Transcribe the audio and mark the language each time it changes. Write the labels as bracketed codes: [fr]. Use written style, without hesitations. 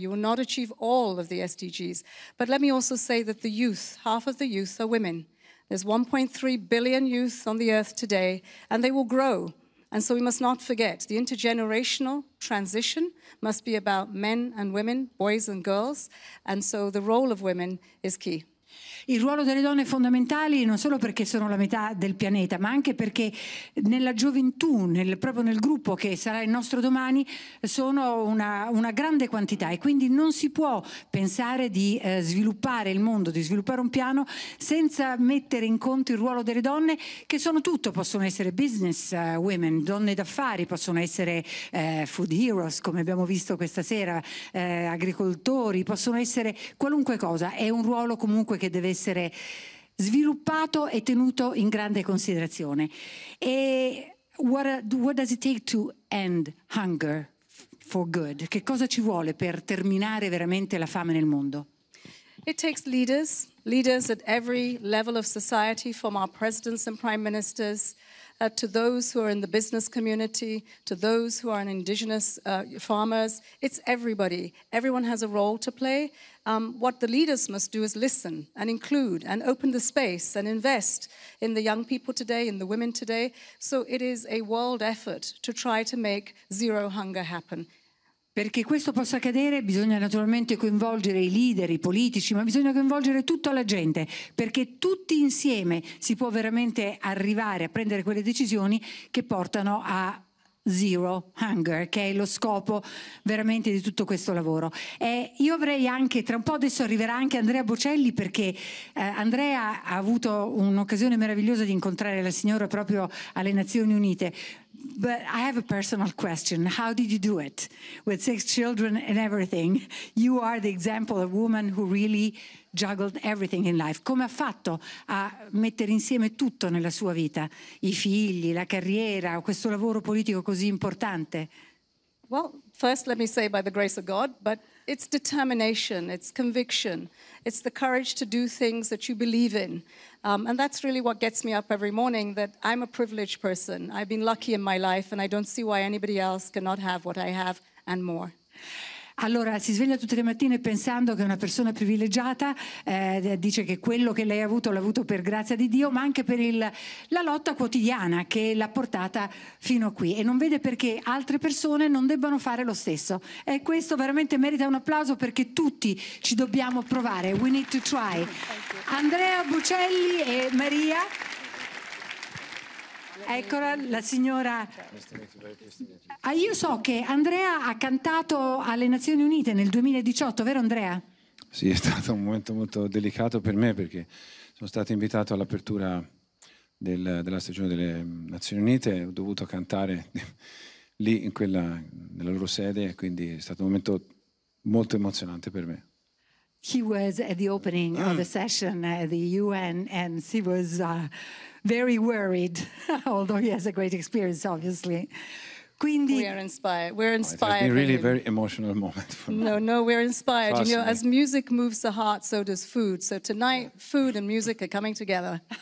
[en] You will not achieve all of the SDGs. But let me also say that the youth, half of the youth are women. There's 1.3 billion youth on the earth today, and they will grow. And so we must not forget the intergenerational transition must be about men and women, boys and girls, and so the role of women is key. [it] Il ruolo delle donne è fondamentale non solo perché sono la metà del pianeta, ma anche perché nella gioventù, proprio nel gruppo che sarà il nostro domani, sono una grande quantità, e quindi non si può pensare di sviluppare il mondo, di sviluppare un piano, senza mettere in conto il ruolo delle donne, che sono tutto, possono essere business women, donne d'affari, possono essere food heroes, come abbiamo visto questa sera, agricoltori, possono essere qualunque cosa. È un ruolo comunque che deve essere sviluppato e tenuto in grande considerazione. [en] E what does it take to end hunger for good? [it] Che cosa ci vuole per terminare veramente la fame nel mondo? [en] It takes leaders at every level of society, from our presidents and prime ministers to those who are in the business community, to those who are an indigenous farmers. It's everybody. Everyone has a role to play. What the leaders must do is listen and include and open the space and invest in the young people today, in the women today. So it is a world effort to try to make zero hunger happen. [it] Perché questo possa accadere bisogna naturalmente coinvolgere i leader, i politici, ma bisogna coinvolgere tutta la gente, perché tutti insieme si può veramente arrivare a prendere quelle decisioni che portano a zero hunger, che è lo scopo veramente di tutto questo lavoro. E io avrei anche, tra un po' adesso arriverà anche Andrea Bocelli, perché Andrea ha avuto un'occasione meravigliosa di incontrare la signora proprio alle Nazioni Unite. [en] But I have a personal question. How did you do it with six children and everything? You are the example of a woman who really juggled everything in life. [it] Come ha fatto a mettere insieme tutto nella sua vita? I figli, la carriera, questo lavoro politico così importante? [en] Well, first let me say by the grace of God, but it's determination, it's conviction. It's the courage to do things that you believe in. And that's really what gets me up every morning, that I'm a privileged person. I've been lucky in my life and I don't see why anybody else cannot have what I have and more. [it] Allora, si sveglia tutte le mattine pensando che è una persona privilegiata, dice che quello che lei ha avuto l'ha avuto per grazia di Dio, ma anche per la lotta quotidiana che l'ha portata fino a qui. E non vede perché altre persone non debbano fare lo stesso. E questo veramente merita un applauso, perché tutti ci dobbiamo provare. [en] We need to try. [it] Andrea Bocelli e Maria. Eccola la signora. Ah, io so che Andrea ha cantato alle Nazioni Unite nel 2018, vero Andrea? Sì, è stato un momento molto delicato per me, perché sono stato invitato all'apertura della stagione delle Nazioni Unite, ho dovuto cantare lì nella loro sede, quindi è stato un momento molto emozionante per me. [en] He was at the opening of the session at the UN and he was very worried, although he has a great experience, obviously. Quindi we are inspired. We're inspired. It's been really very emotional moment for me. No, we're inspired. You know, as music moves the heart, so does food. So tonight, food and music are coming together.